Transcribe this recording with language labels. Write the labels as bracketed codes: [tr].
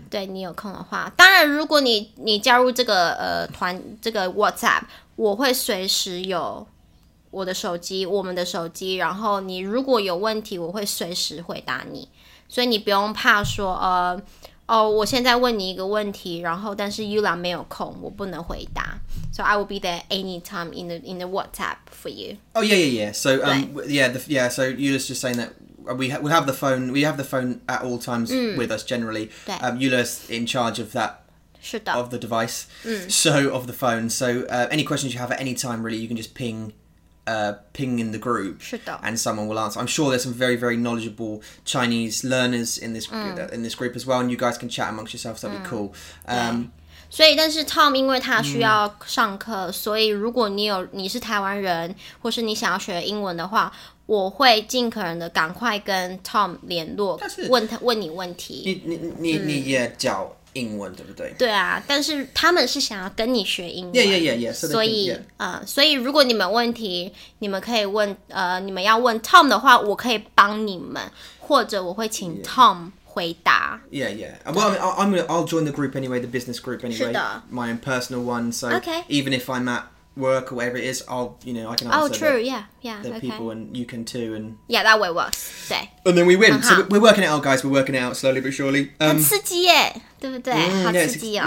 [zh] 对你有空的话，当然如果 你加入这个、团这个 WhatsApp, 我会随时有我的手机，我们的手机，然后你如果有问题我会随时回答你，所以你不用怕说哦，我现在问你一个问题，然后但是 Yula 没有空，我不能回答。 [en] So I will be there anytime in the WhatsApp for you. Oh yeah, yeah, yeah. So So Yula's just saying that we have the phone at all times with us generally. Yula's in charge of that. [zh] 是的。 [en] Of the device. So of the phone. So any questions you have at any time, really, you can just ping. Ping in the group, and someone will answer. I'm sure there's some very, very knowledgeable Chinese learners in this group as well, and you guys can chat amongst yourselves. That'd be cool. [zh] 所以，但是 Tom 因为他需要上课，所以如果你是台湾人，或是你想要学英文的话，我会尽可能的赶快跟 Tom 联络，问你问题。你也教英文对不对？对啊，但是他们是想要跟你学英文。 [en] Yeah, yeah, yeah, yeah. So、 [zh] 所以 [en] can,、yeah. [zh] 所以如果你们问题，你们可以问你们要问 Tom 的话，我可以帮你们，或者我会请 Tom 回答。 [en] Yeah, yeah. Well, I'll join the group anyway, the business group anyway. [zh] 是的。 [en] My own personal one. So、 okay. even if I'm at work or whatever it is, I'll you know I can answer. Oh, true. yeah, yeah. The、 okay. people and you can too. And yeah, that way works. 对。 And then we win.、Uh-huh. So we're working it out, guys. We're working it out slowly but surely. [zh] 很刺激耶。对不对，好刺激哦。